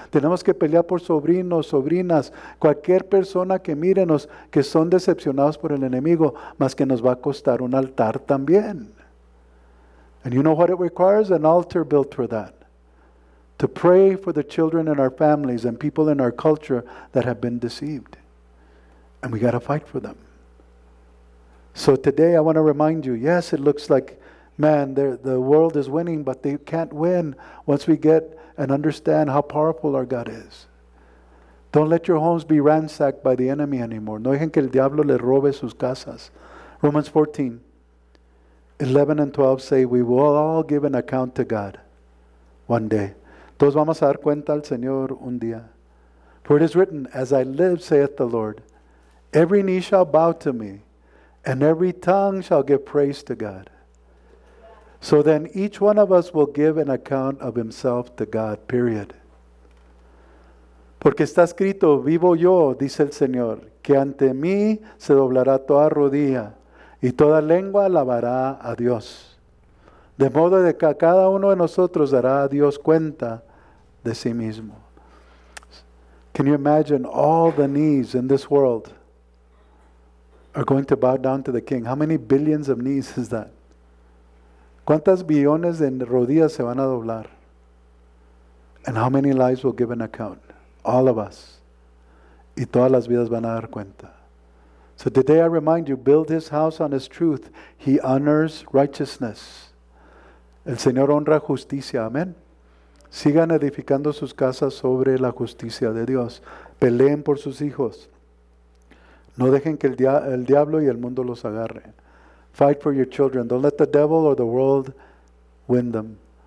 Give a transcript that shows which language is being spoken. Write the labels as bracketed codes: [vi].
[es] Tenemos que pelear por sobrinos, sobrinas, cualquier persona que mírenos que son decepcionados por el enemigo, más que nos va a costar un altar también. [en] And you know what it requires? An altar built for that. To pray for the children in our families and people in our culture that have been deceived. And we got to fight for them. So today I want to remind you, yes, it looks like, man, the world is winning, but they can't win once we get and understand how powerful our God is. Don't let your homes be ransacked by the enemy anymore. [es] No dejen que el diablo le robe sus casas. [en] Romans 14, 11 and 12 say, we will all give an account to God one day. [es] Todos vamos a dar cuenta al Señor un día. [en] For it is written, as I live, saith the Lord, every knee shall bow to me, and every tongue shall give praise to God. So then each one of us will give an account of himself to God, period. [es] Porque está escrito, vivo yo, dice el Señor, que ante mí se doblará toda rodilla, y toda lengua alabará a Dios. De modo de que cada uno de nosotros dará a Dios cuenta de sí mismo. [en] Can you imagine all the knees in this world are going to bow down to the king? How many billions of knees is that? [es] ¿Cuántas billones de rodillas se van a doblar? [en] And how many lives will give an account? All of us. [es] Y todas las vidas van a dar cuenta. [en] So today I remind you, build his house on his truth. He honors righteousness. [es] El Señor honra justicia. Amén. Sigan edificando sus casas sobre la justicia de Dios. Peleen por sus hijos. No dejen que el diablo y el mundo los agarre. [en] Fight for your children. Don't let the devil or the world win them.